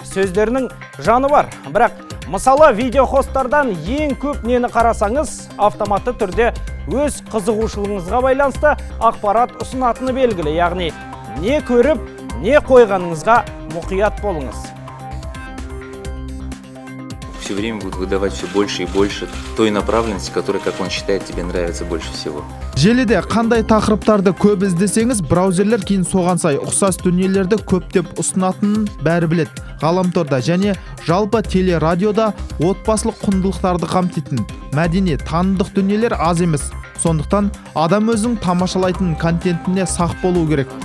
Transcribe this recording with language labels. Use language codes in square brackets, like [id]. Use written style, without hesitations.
[kk] Сөздерінің жаны бар, бірақ мысалы видеохосттардан ең көп нені қарасаңыз, автоматты түрде өз қызығушылығыңызға байланысты ақпарат ұсынатыны белгілі, яғни не көріп, не қойғаныңызға мұқият болыңыз. [ru] Все время будет выдавать все больше и больше той направленности, которая, как он считает, тебе нравится больше всего. [kk] Желіде қандай тақырыптарды көп іздесеңіз, браузерлер кейін соған сай ұқсас дүниелерді көптеп ұсынатынын бәрі біледі. Ғаламторда және жалпы телерадиода отбасылық құндылықтарды қамтитын мәдени танымдық дүниелер аз емес. Сондықтан адам өзің тамашалайтын контентіне сақ болу керек.